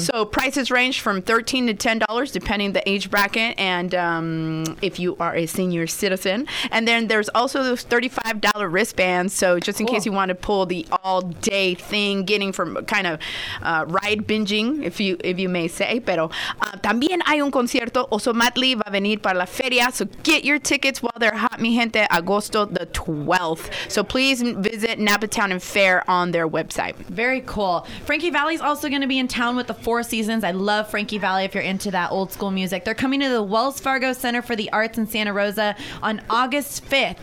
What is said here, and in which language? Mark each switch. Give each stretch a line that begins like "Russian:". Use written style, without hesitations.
English: So prices range from $13 to $10, depending the age bracket and if you are a senior citizen. And then there's also those $35 wristbands. So just in case you want to pull the all-day thing, getting from kind of ride binging, if you may say.
Spanish: Pero también hay un concierto. Oso Matli va a venir para la feria.
English: So get your tickets while they're hot,
Spanish: mi gente.
English: Agosto the 12th. So please visit Napa Town and Fair on their website. Very cool. Frankie Valli's also going to be in town with the Four Seasons. I love Frankie Valli if you're into that old school music. They're coming to the Wells Fargo Center for the Arts in Santa Rosa on August 5th.